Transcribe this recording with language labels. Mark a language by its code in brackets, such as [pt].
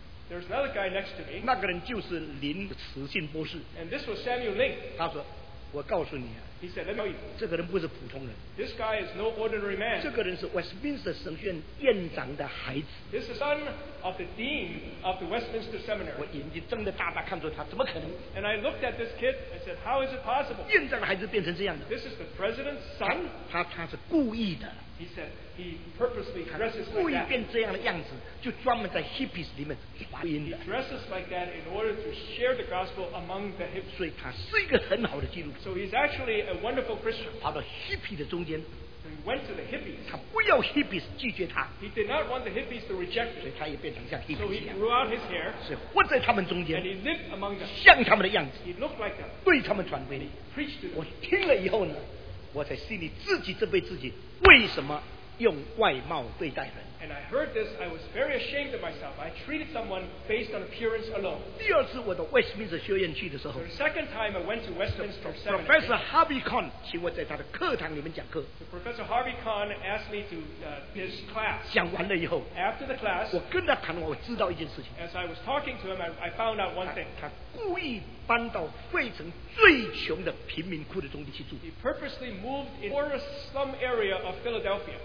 [en] there's another guy next to me. And this was Samuel Ling. [zh] 他说, 我告诉你啊, [en] he said, let me tell you, [zh] 这个人不是普通人, [en] this guy is no ordinary man. [zh] 这个人是Westminster神学院院长的孩子, [en] this is son of the dean of the Westminster Seminary. [zh] 我眼睛睁得大大看着他, 怎么可能? [en] And I looked at this kid, I said, how is it possible? [zh] 院长的孩子变成这样的, [en] this is the president's son. [zh] 他是故意的, [en] he said, he purposely dresses like that. [zh] 就专门在hippies里面传音的, [en] he dresses like that in order to share the gospel among the hippies. [zh] 所以他是一个很好的基督徒, [en] so he's actually a wonderful Christian. [zh] 跑到hippie的中间, [en] he went to the hippies. He did not want the hippies to reject him. So he grew out his hair. [zh] 所以混在他们中间, [en] and he lived among them. [zh] 像他们的样子, [en] he looked like them. [zh] 对他们传福音, [en] and he preached to them. [zh] 我听了以后呢, 我在心里自己责备自己, 为什么用外貌对待人? [en] And I heard this, I was very ashamed of myself. I treated someone based on appearance alone. [zh] 第二次我到Westminster学院去的时候, [en] the second time I went to Westminster Seminary, [zh] Professor Harvey Kahn 请我在他的课堂里面讲课, [en] Professor Harvey Kahn asked me to his class. [zh] 讲完了以后, [en] after the class, [zh] 我跟他谈话, 我知道一件事情, [en] as I was talking to him, I found out one thing. [zh] 他故意搬到费城最穷的贫民窟的中地去住, [en] he purposely moved in the poorest slum area of Philadelphia.